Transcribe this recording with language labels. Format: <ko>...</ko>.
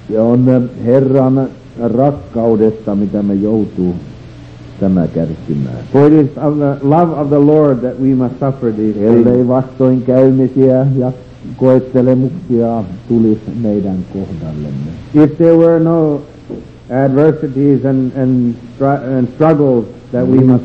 <fi>Se on Herran rakkaudesta, mitä me joutuu tämä kärsimään.</fi> <en>For it is of the love of the Lord that we must suffer these things.</en> <fi>Ellei vastoin käymisiä ja koettelemuksia tulisi meidän kohdallemme.</fi> <en>If there were no adversities and struggles that we must</en>